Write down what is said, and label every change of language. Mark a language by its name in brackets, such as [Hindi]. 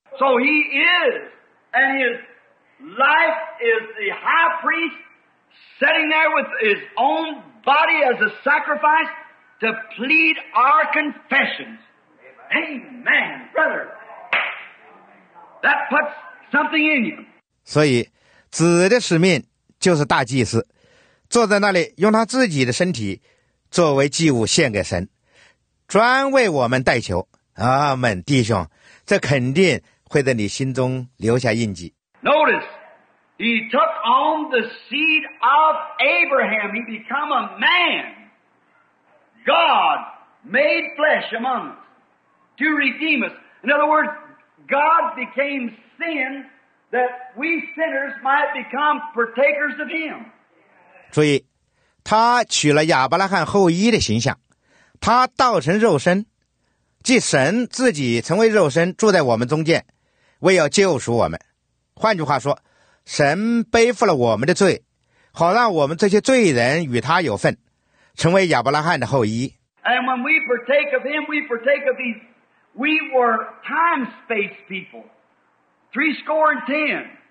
[English] So he is, and his life is the high priest sitting there with his own body as a sacrifice to plead our confessions. Amen, brother. That puts something in you. [Chinese] 所以，子的使命就是大祭司，坐在那里用他自己的身体作为祭物献给神，专为我们代求。阿们，弟兄，这肯定会在你心中留下印记。 [English] Notice, he took on the seed of Abraham. He became a man. God made flesh among us to redeem us. In other words, God became sin that we sinners might become partakers of him. [Chinese] 注意，他取了亚伯拉罕后裔的形象，他道成肉身，即神自己成为肉身住在我们中间，为要救赎我们。换句话说，神背负了我们的罪，好让我们这些罪人与他有份，成为亚伯拉罕的后裔。 [English] And when we partake of him, we partake of these. We were time-space people, 70.